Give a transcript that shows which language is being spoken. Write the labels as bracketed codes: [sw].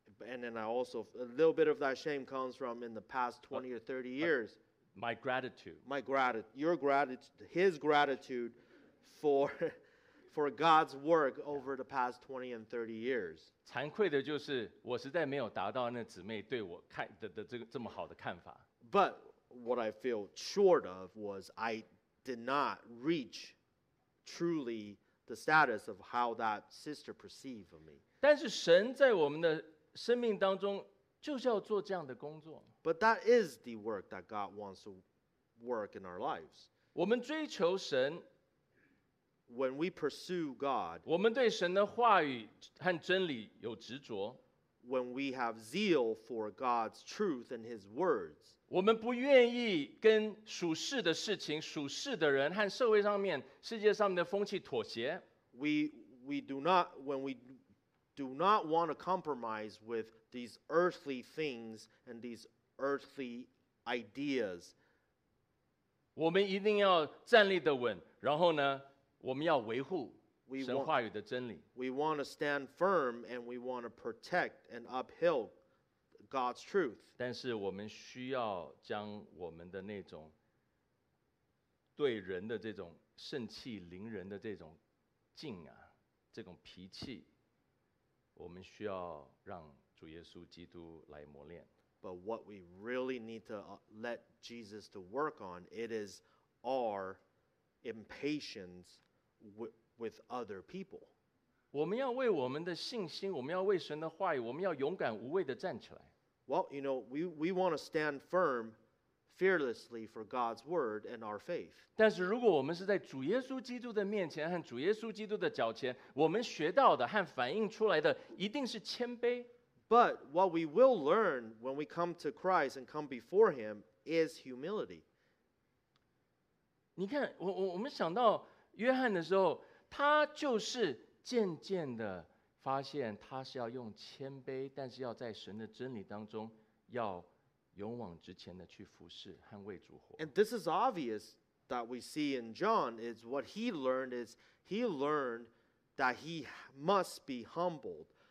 [en] And then I also a little bit of that shame comes from in the past 20 or 30 years. My gratitude. Your gratitude, his gratitude for God's work over the past 20 and 30 years. [zh] 惭愧的就是我实在没有达到那姊妹对我看的这么好的看法。 [en] But what I feel short of was I did not reach truly the status of how that sister perceived of me. [zh] 但是神在我们的生命当中就是要做这样的工作。 [en] But that is the work that God wants to work in our lives. [zh] 我们追求神， [en] When we pursue God, [zh] 我们对神的话语和真理有执着， [en] When we have zeal for God's truth and His words, [zh] 我们不愿意跟属世的事情、属世的人和社会上面、世界上面的风气妥协， [en] we do not want to compromise with these earthly things and these earthly ideas. [zh] 我们一定要站立得稳，然后呢，我们要维护神话语的真理。 [en] We want to stand firm and we want to protect and uphold God's truth. [zh] 但是我们需要将我们的那种对人的这种盛气凌人的这种劲啊，这种脾气，我们需要让主耶稣基督来磨练。 [en] But what we really need to let Jesus to work on, it is our impatience with other people. [zh] 我们要为我们的信心，我们要为神的话语，我们要勇敢无畏的站起来。 [en] Well, you know, we want to stand firm fearlessly for God's word and our faith. [zh] 但是如果我们是在主耶稣基督的面前和主耶稣基督的脚前，我们学到的和反映出来的一定是谦卑。 [en] But what we will learn when we come to Christ and come before Him is humility. [zh] 你看，我们想到约翰的时候，他就是渐渐的发现他是要用谦卑，但是要在神的真理当中要勇往直前的去服侍和为主活。 [en] And this is obvious that we see in John is what he learned is he learned that he must be humbled.